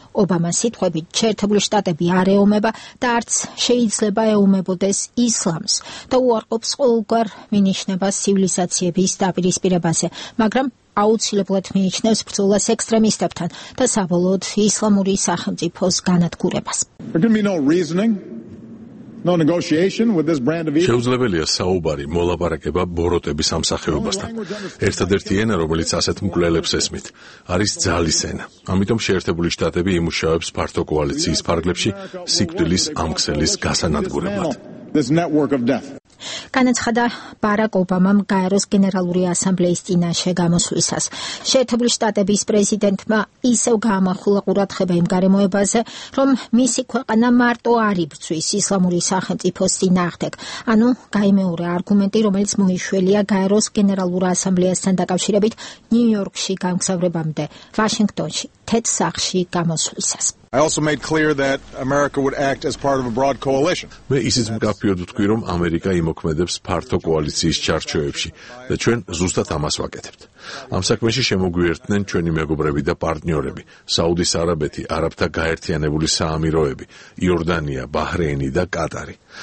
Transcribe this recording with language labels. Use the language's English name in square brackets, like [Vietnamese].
[Georgian] ობამა სიტყვებით შეერთებული შტატები არ ეომება და არც შეიძლება ეომებოდეს ისლამს და უარყოფს ყოველგვარ მინიშნებას ცივილიზაციების დაპირისპირებაზე, მაგრამ აუცილებლად მიიჩნევს ბრძოლას ექსტრემისტებთან და საბოლოოდ ისლამური სახელმწიფოს განადგურებას. [English] No negotiation with this brand of evil. [Georgian] შეუძლებელია საუბარი, მოლაპარაკება ბოროტების ამსახეობასთან. ერთადერთი ენა, რომელიც ასეთ მკვლელებს ესმით, არის ძალის ენა. ამიტომ შეერთებული შტატები იმუშავებს ფართო კოალიციის ფარგლებში სიკვდილის ამქსელის გასანადგურებლად. [English] This network of death. [Georgian] განაცხადა ბარაკ ობამამ გაეროს გენერალური ასამბლეის წინაშე გამოსვლისას. შეერთებული შტატების პრეზიდენტმა ისევ გაამახვილა ყურადღება იმ გარემოებაზე, რომ მისი ქვეყანა მარტო არ იბრძვის ისლამური სახელმწიფოს წინააღმდეგ. ანუ გაიმეორა არგუმენტი, რომელიც მოიშველია გაეროს გენერალურ ასამბლეასთან დაკავშირებით ნიუ-იორკში გამგზავრებამდე, ვაშინგტონში, თეთრ სახლში გამოსვლისას. [English] I also made clear that America would act as part of a broad coalition. [Georgian] მე ისიც გაფიოდო თქვი, რომ ამერიკა იმოქმედებს ფართო კოალიციის ჩარჩოებში და ჩვენ ზუსტად ამას ვაკეთებთ. ამ საქმეში შემოგვიერთნენ ჩვენი მეგობრები და პარტნიორები: საუდის არაბეთი, არაბთა გაერთიანებული საამიროები, იორდანია, ბაჰრეინი და კატარი.